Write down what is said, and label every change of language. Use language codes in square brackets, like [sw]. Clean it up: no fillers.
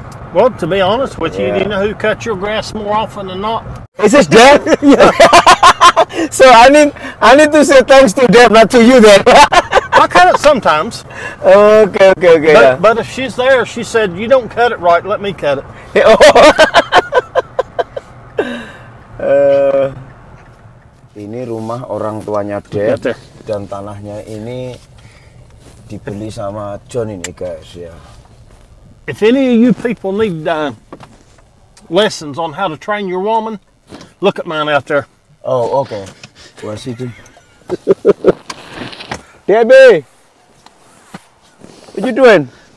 [en] Well, to be honest with you, do you know who cuts your grass more often than not? Is this Deb? Yeah. So I need to say thanks to Deb, not to you then. I cut it sometimes. Okay, okay, okay. But, yeah. But if she's there, she said, you don't cut it right, let me cut it. [id] Ini rumah orang tuanya Deb, dan tanahnya ini dibeli sama John ini, guys, ya. [en] If any of you people need lessons on how to train your woman, look at mine out there. Oh, okay. Where is he doing? Debbie! What you doing?